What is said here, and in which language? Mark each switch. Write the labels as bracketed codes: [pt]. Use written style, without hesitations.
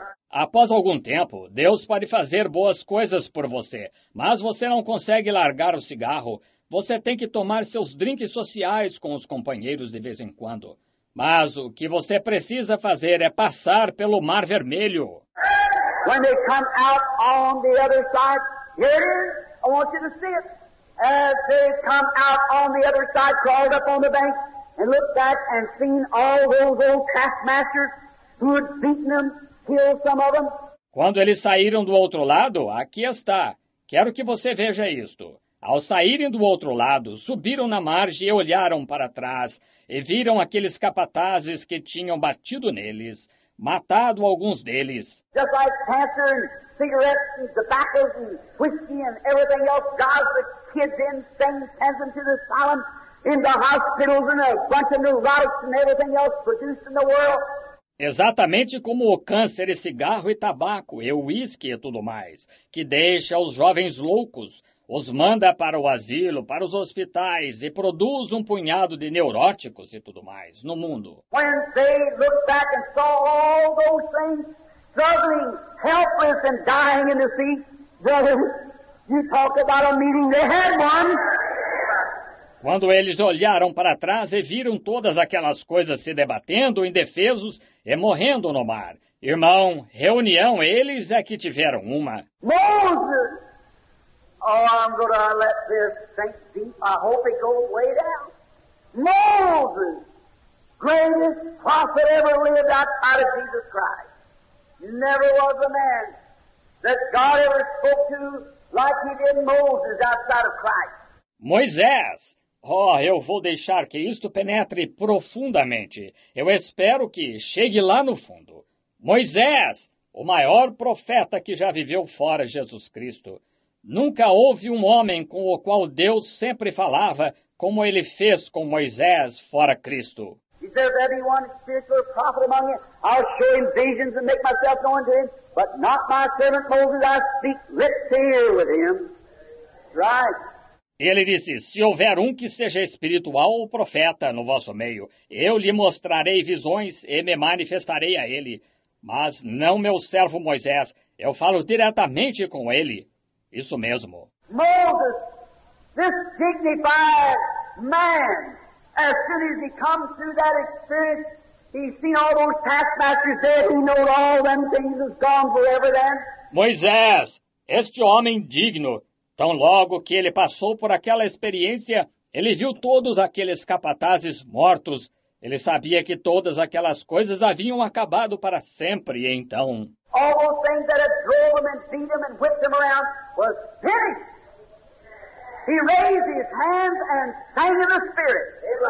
[pt] Após algum tempo, Deus pode fazer boas coisas por você, mas você não consegue largar o cigarro. Você tem que tomar seus drinks sociais com os companheiros de vez em quando. Mas o que você precisa fazer é passar pelo Mar Vermelho. [en] When they come out on the other side, here it is, I want you to see it. As they come out on the other side, crawled up on the bank, and looked back and seen all those old taskmasters who had beaten them, killed some of them. [pt] Quando eles saíram do outro lado, aqui está. Quero que você veja isto. Ao saírem do outro lado, subiram na margem e olharam para trás e viram aqueles capatazes que tinham batido neles, matado alguns deles. [en] Just like cancer and cigarettes and tobacco and whiskey and everything else, God's the kids in things, sends them to the asylum, in the hospitals and a bunch of neurotics and everything else produced in the world. [pt] Exatamente como o câncer e cigarro e tabaco e o whisky e tudo mais, que deixa os jovens loucos, os manda para o asilo, para os hospitais e produz um punhado de neuróticos e tudo mais no mundo. [en] When they look back and saw all those things struggling, helpless and dying in the sea, brother, you talk about a meeting they had one. [pt] Quando eles olharam para trás e viram todas aquelas coisas se debatendo, indefesos e morrendo no mar. Irmão, reunião, eles é que tiveram uma. [en] Moses! Oh, I'm going to let this sink deep. I hope it goes way down. Moses, greatest prophet ever lived outside of Jesus Christ. Never was a man that God ever spoke to like he did Moses outside of Christ. [pt] Moisés! Oh, eu vou deixar que isto penetre profundamente. Eu espero que chegue lá no fundo. Moisés, o maior profeta que já viveu fora Jesus Cristo. Nunca houve um homem com o qual Deus sempre falava como ele fez com Moisés fora Cristo. [en] Is there everyone spiritual or prophet among you? I'll show him visions and make myself known to him. But not my servant Moses. I speak lip to ear with him. Right. [pt] Ele disse, se houver um que seja espiritual ou profeta no vosso meio, eu lhe mostrarei visões e me manifestarei a ele. Mas não meu servo Moisés, eu falo diretamente com ele. Isso mesmo. [en] Moses, this dignified man, as soon as he comes through that experience, he's seen all those taskmasters there, he knows all them things is gone forever then. [pt] Moisés, este homem digno, tão logo que ele passou por aquela experiência, ele viu todos aqueles capatazes mortos. Ele sabia que todas aquelas coisas haviam acabado para sempre, então. [en] All those things that had drove him and beat him and whipped him around was finished. He raised his hands and sang in the spirit.